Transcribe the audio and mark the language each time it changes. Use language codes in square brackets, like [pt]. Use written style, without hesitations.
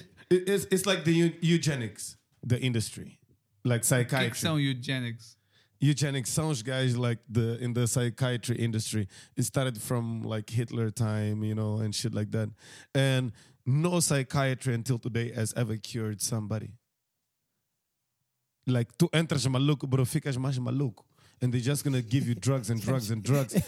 [en] It's like the eugenics, the industry. Like psychiatry. [pt] Que são eugenics? [en] Eugenics [pt] são os [en] guys like in the psychiatry industry. It started from like Hitler time, you know, and shit like that. And no psychiatry until today has ever cured somebody. [pt] Like, tu entras maluco, bro, ficas mais maluco. [en] And they're just going to give you drugs and drugs and drugs.